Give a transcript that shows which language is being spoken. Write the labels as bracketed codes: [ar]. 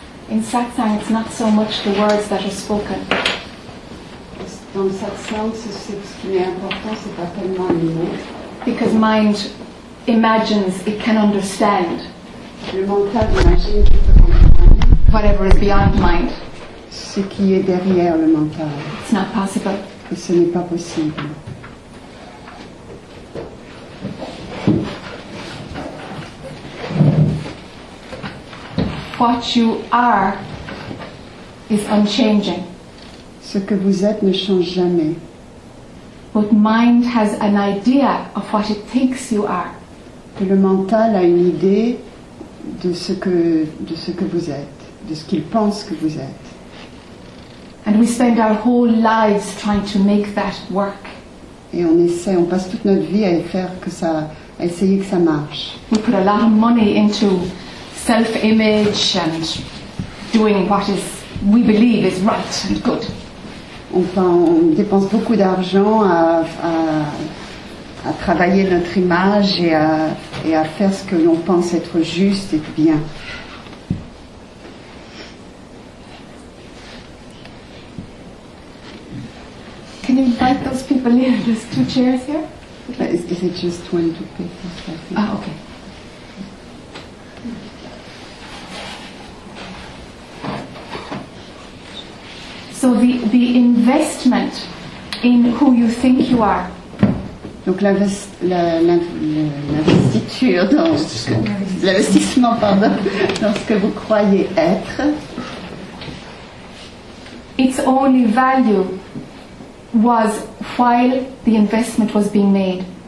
[en] Satsang, it's not so much the words that are spoken. [fr] Dans le satsang, c'est ce qui est important, c'est pas tellement les mots. [en] Because mind imagines it can understand. [fr] Le mental imagine qu'il peut comprendre. [en] Whatever is beyond mind. [fr] Ce qui est derrière le mental. [en] It's not possible. [fr] Et ce n'est pas possible. [en] What you are is unchanging. [fr] Ce que vous êtes ne change jamais. [en] But mind has an idea of what it thinks you are. [fr] Et le mental a une idée de ce que vous êtes, de ce qu'il pense que vous êtes. [en] And we spend our whole lives trying to make that work. [fr] Et on passe toute notre vie à essayer que ça marche. [en] We put a lot of money into self-image and doing what is we believe is right and good. [fr] On dépense beaucoup d'argent à travailler notre image et à faire ce que l'on pense être juste et bien. [en] Can you invite those people here? There's two chairs here. Is it just one to pay? Ah, okay. So the investment in who you think you are. [fr] Donc l'investissement dans ce que vous croyez être. [en] Its only value was while the investment was being made.